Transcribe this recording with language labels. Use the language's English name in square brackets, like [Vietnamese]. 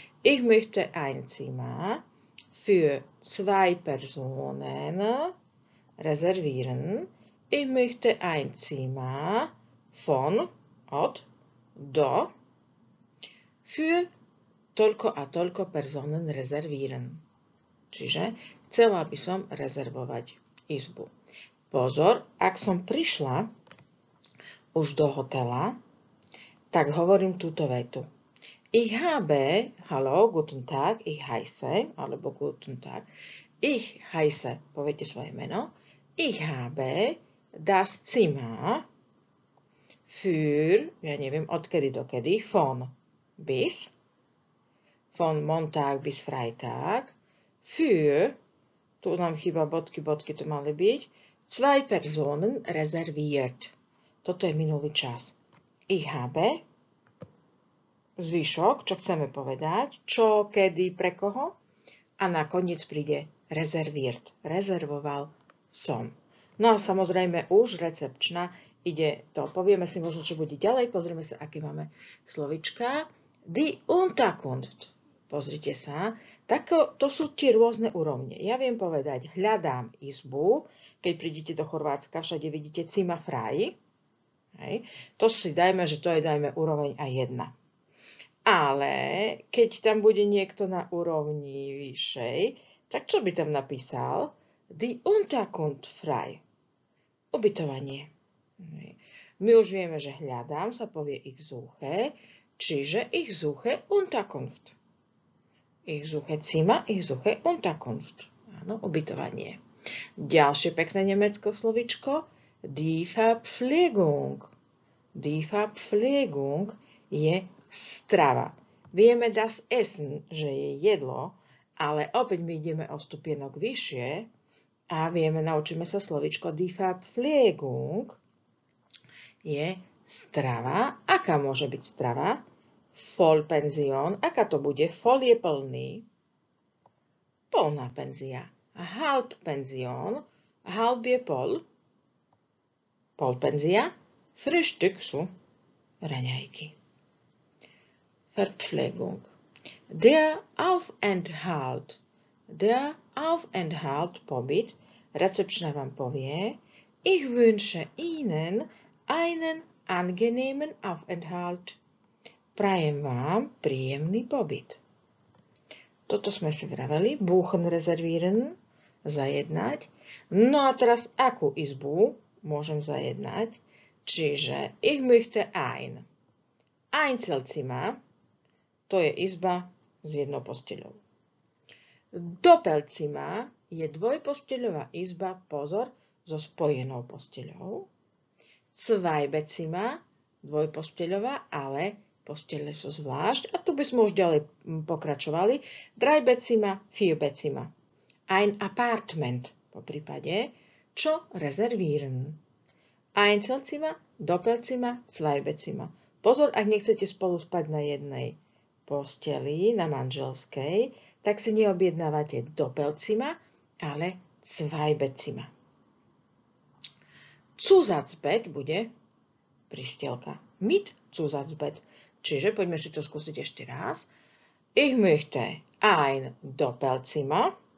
[German] Ich möchte ein Zimmer für zwei Personen reservieren. Ich möchte ein Zimmer von, od, do, für [Slovak] toľko a toľko [German] personen reservieren. [Slovak] Čiže chcela by som rezervovať izbu. Pozor, ak som prišla už do hotela, tak hovorím túto vetu. [German] Ich habe, hallo, guten Tag, ich heiße, alebo guten Tag, ich heiße, [Slovak] poviete svoje meno, [German] ich habe das Zimmer für, [Slovak] ja neviem, odkedy dokedy, [German] von Montag bis Freitag, für, [Slovak] tu nám chýba bodky, to mali byť, [German] zwei Personen reserviert. [Slovak] Toto je minulý čas. [German] Ich habe. [Slovak] Zvyšok, čo chceme povedať, čo, kedy, pre koho. A nakoniec príde rezerviert. Rezervoval som. No a samozrejme už recepčná ide to. Povieme si možno, čo bude ďalej. Pozrieme sa, aké máme slovička. Die Unterkunft. Pozrite sa. Tak to sú tie rôzne úrovne. Ja viem povedať, hľadám izbu. Keď prídete do Chorvátska, všade vidíte Zimmer frei. Hej. To si dajme, že to je dajme úroveň a jedna. Ale keď tam bude niekto na úrovni vyššej, tak čo by tam napísal? [German] Die Unterkunft frei. [Slovak] Ubytovanie My už vieme, že hľadám sa povie ich suche, čiže [German] ich suche Unterkunft. Ich suche Zimmer, ich suche Unterkunft. [Slovak] Áno, ubytovanie. Ďalšie pekné nemecké slovíčko. [German] Die Verpflegung. Die Verpflegung [Slovak] je strava. Vieme das Essen, že je jedlo, ale opäť my ideme o stupienok vyššie a vieme, naučíme sa slovíčko Die Verpflegung je strava. Aká môže byť strava? Vollpension. Aká to bude? Voll je plný. Polná penzia. Halbpension. Halb je pol. Polpenzia. Frühstück sú raňajky. Verpflegung. [German] Der Aufenthalt. Der Aufenthalt, pobyt. [Slovak] Recepčná vám povie. [German] Ich wünsche Ihnen einen angenehmen Aufenthalt. [Slovak] Prajem vám príjemný pobyt. Toto sme si vraveli. Buchen reservieren. Zajednať. No a teraz akú izbu môžem zajednať? [German] Čiže ich möchte ein. Einzelzimmer. [Slovak] To je izba s jednou posteľou. Doppelzimmer je dvojposteľová izba, pozor, so spojenou posteľou. Zweibezimmer, dvojposteľová, ale postele sú zvlášť. A tu by sme už ďalej pokračovali. [German] Dreibezimmer, vierbezimmer. Ein Apartment, [Slovak] po prípade, čo [German] reservieren. Einzelzimmer, Doppelzimmer, Zweibezimmer. [Slovak] Pozor, ak nechcete spolu spať na jednej posteli, na manželskej, tak si neobjednávate Doppelzimmer, ale Zweibezimmer. Zusatzbett bude pristielka. [German] Mit Zusatzbett. [Slovak] Čiže poďme si to skúsiť ešte raz. [German] Ich möchte ein Doppelzimmer.